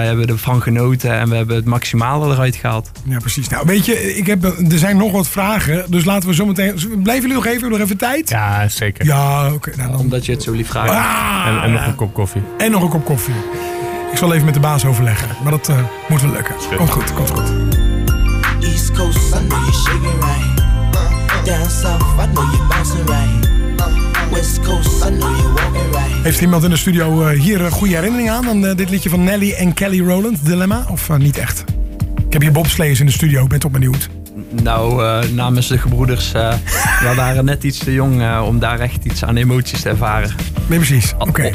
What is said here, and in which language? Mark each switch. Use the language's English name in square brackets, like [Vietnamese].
[Dutch] Wij hebben ervan genoten en we hebben het maximale eruit gehaald. Ja, precies. Nou, weet je, er zijn nog wat vragen. Dus laten we zometeen... Blijven jullie nog even tijd? Ja, zeker. Ja, oké. Nou, omdat je het zo lief vraagt. En nog een kop koffie. En nog een kop koffie. Ik zal even met de baas overleggen, maar dat moet wel lukken. Komt goed. [English] East Coast, I know you're shaking right. Down South, I know you're bouncing right. West Coast, I know you're walking right. [Dutch] Heeft iemand in de studio hier een goede herinnering aan dit liedje van Nelly en Kelly Rowland, Dilemma? Of niet echt? Ik heb hier bobsleeërs in de studio, ik ben toch benieuwd. Namens de gebroeders, we waren net iets te jong om daar echt iets aan emoties te ervaren. Nee, precies. Okay.